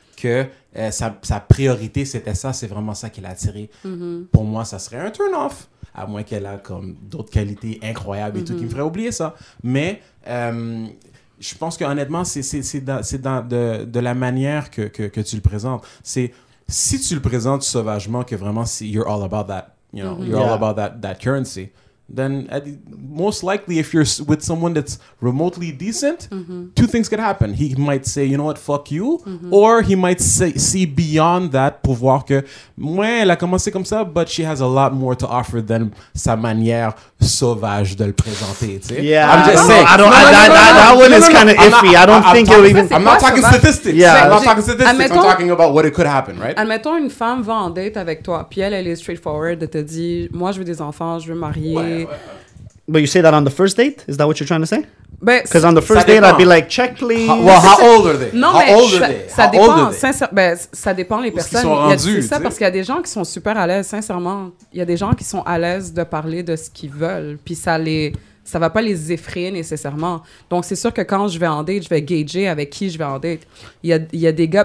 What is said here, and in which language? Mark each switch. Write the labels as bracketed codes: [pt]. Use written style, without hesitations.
[fr] Que sa priorité, c'était ça. C'est vraiment ça qui l'a attiré. Mm-hmm. Pour moi, ça serait un turn-off. À moins qu'elle a comme d'autres qualités incroyables et tout, qui me ferait oublier ça. Mais je pense qu'honnêtement, c'est de la manière que tu le présentes. C'est si tu le présentes sauvagement, que vraiment, c'est [en] « you're all about that », you know, you're all about that currency, then most likely if you're with someone that's remotely decent, two things could happen. He might say, you know what, fuck you, or he might see beyond that [fr] pour voir que, ouais, elle a commencé comme ça, [en] but she has a lot more to offer than [fr] sa manière sauvage de le présenter, tu sais. [en] Yeah, I'm just saying. That one is kind of iffy. I'm not talking statistics. I'm talking about what it could happen, right? [fr] Admettons, une femme va en date avec toi, puis elle est straightforward, elle te dit, moi, je veux des enfants, je veux marier. [en] But you say that on the first date? Is that what you're trying to say? Because on the first date, I'd be like, check, please. How old are they? [fr] Ça dépend les personnes. Ils sont rendus, c'est ça, parce qu'il y a des gens qui sont super à l'aise, sincèrement. Il y a des gens qui sont à l'aise de parler de ce qu'ils veulent. Puis ça va pas les effrayer nécessairement. Donc, c'est sûr que quand je vais en date, je vais gauger avec qui je vais en date. Il y a des gars...